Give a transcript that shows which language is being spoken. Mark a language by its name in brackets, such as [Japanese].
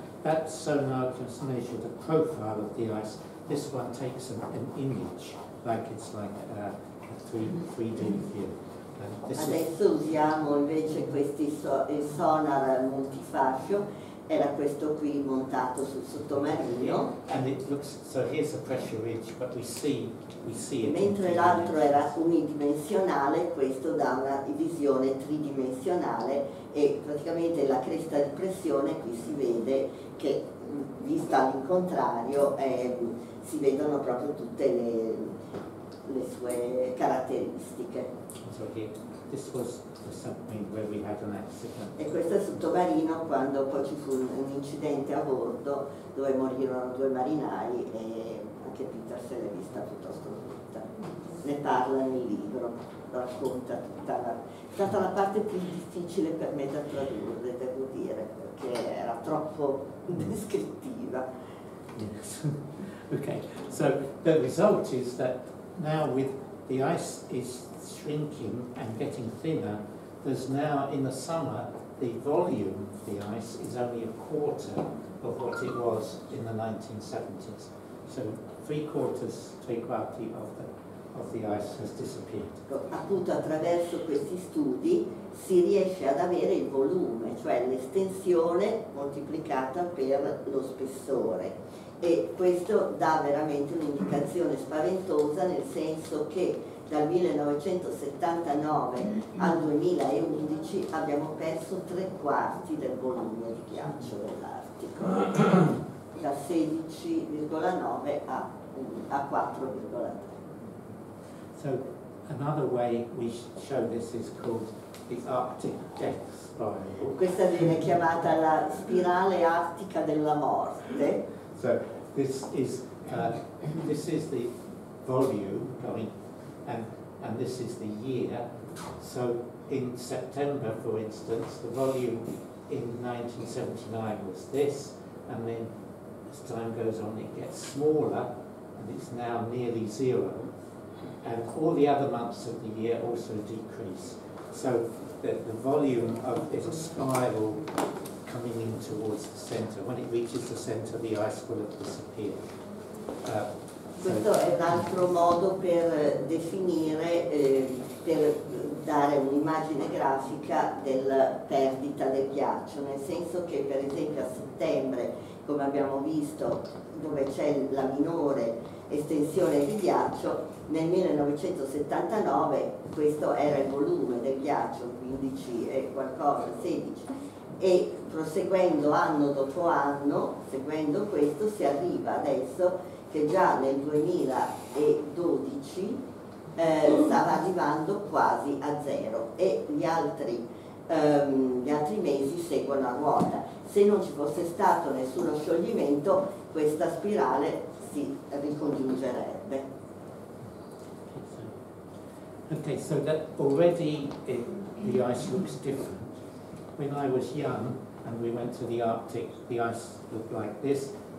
[English] That sonar can measure the profile of the ice. This one takes an image, like it's like a 3D view. [Italian] Adesso usiamo invece questi il sonar multifascio, era questo qui montato sul sottomarino. [English] And it looks, so here's a pressure ridge, but we see it. [Italian] Mentre l'altro era unidimensionale, questo dà una visione tridimensionale e praticamente la cresta di pressione qui si vede che vista al contrario si vedono proprio tutte le sue caratteristiche. [English] So this was the submarine where we had an accident. [Italian] E questo è il sottomarino quando poi ci fu un incidente a bordo dove morirono due marinai e anche Peter se l'è vista piuttosto brutta. Ne parla nel libro, racconta tutta la... È stata la parte più difficile per me da tradurre, devo dire, perché era troppo descrittiva. [English] Yes. Okay. So the result is that now with the ice is shrinking and getting thinner, there's now in the summer the volume of the ice is only a quarter of what it was in the 1970s. So 3/4, 3/4 of the ice has disappeared. [Italian] Appunto attraverso questi studi si riesce ad avere il volume, cioè l'estensione moltiplicata per lo spessore. E questo dà veramente un'indicazione spaventosa, nel senso che dal 1979 al 2011 abbiamo perso 3/4 del volume di ghiaccio dell'Artico, da 16,9 a 4,3. [English] So another way we show this is called the Arctic Death Spiral. [Italian] Questa viene chiamata la spirale artica della morte. [English] So this is the volume going, and this is the year. So in September, for instance, the volume in 1979 was this, and then as time goes on, it gets smaller, and it's now nearly zero. And all the other months of the year also decrease. So the volume of is a spiral coming in towards the center. When it reaches the center, the ice will have disappeared. [Italian] Questo è un altro modo per definire, per dare un'immagine grafica della perdita del ghiaccio, nel senso che per esempio a settembre, come abbiamo visto, dove c'è la minore estensione di ghiaccio, nel 1979 questo era il volume del ghiaccio, 15 e qualcosa, 16, e proseguendo anno dopo anno, seguendo questo, si arriva adesso che già nel 2012 stava arrivando quasi a zero, e gli altri mesi seguono a ruota. Se non ci fosse stato nessuno scioglimento, questa spirale si ricongiungerebbe. [English] Okay, so that already the ice looks different. When I was young and we went to the Arctic, the ice looked like this.